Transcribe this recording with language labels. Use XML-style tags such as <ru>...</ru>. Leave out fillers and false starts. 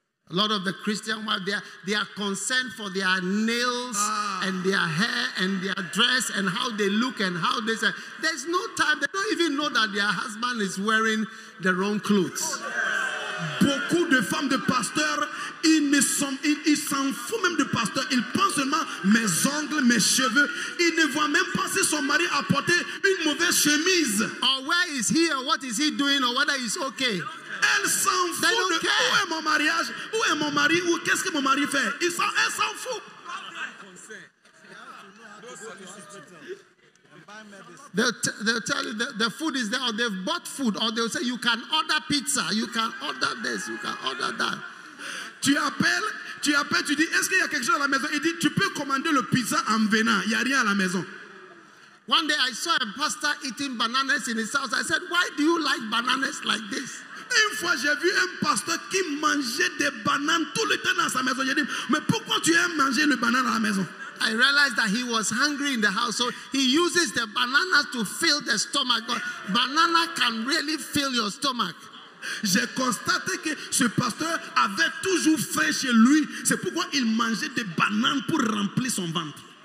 <en>A lot of the Christian wives, they are concerned for their nails and their hair and their dress and how they look and how they say. There's no time. They don't even know that their husband is wearing the wrong clothes.</en> <fr>Beaucoup de femmes de pasteurs, ils s'en foutent même de pasteur. Ils pensent seulement mes ongles, mes cheveux. Ils ne voient même pas si son mari a porté une mauvaise chemise.</fr> <en>Or where is he or what is he doing or whether he's okay.</en> <fr>Elle s'en fout de où est mon mariage, où est mon mari, ou qu'est-ce que mon mari fait. Elle s'en fout.</fr> <en>They'll tell you the food is there, or they've bought food, or they'll say you can order pizza, you can order this, you can order that.</en> <fr>Tu appelles, tu dis est-ce qu'il y a quelque chose à la maison. Il dit tu peux commander le pizza en venant, il n'y a rien à la maison.</fr> <en>One day I saw a pastor eating bananas in his house. I said, why do you like bananas like this?</en> <fr>Une fois, j'ai vu un pasteur qui mangeait des bananes tout le temps dans sa maison. J'ai dit, mais pourquoi tu aimes manger le banane dans la maison?</fr> <en>I realized that he was hungry in the house, so he uses the bananas to fill the stomach. But banana can really fill your stomach.</en> <fr>J'ai constaté que ce pasteur avait toujours faim chez lui. C'est pourquoi il mangeait des bananes pour remplir son ventre.</fr>